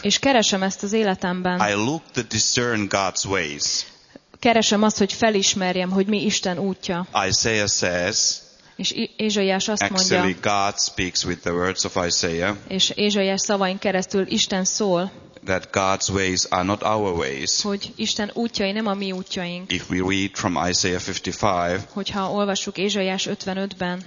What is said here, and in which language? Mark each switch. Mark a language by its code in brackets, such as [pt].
[hu] És keresem ezt az életemben. [en] I look to discern God's ways. [hu] Keresem azt, hogy felismerjem, hogy mi Isten útja. [en] Isaiah says. [hu] És Ézsaiás azt mondja. [en] Actually, God speaks with the words of Isaiah. [hu] És Ézsaiás szavain keresztül Isten szól. [en] That God's ways are not our ways. [hu] Hogy Isten útjai nem a mi útjaink. [en] If we read from Isaiah 55. [hu] Hogyha olvassuk Ézsaiás 55-ben.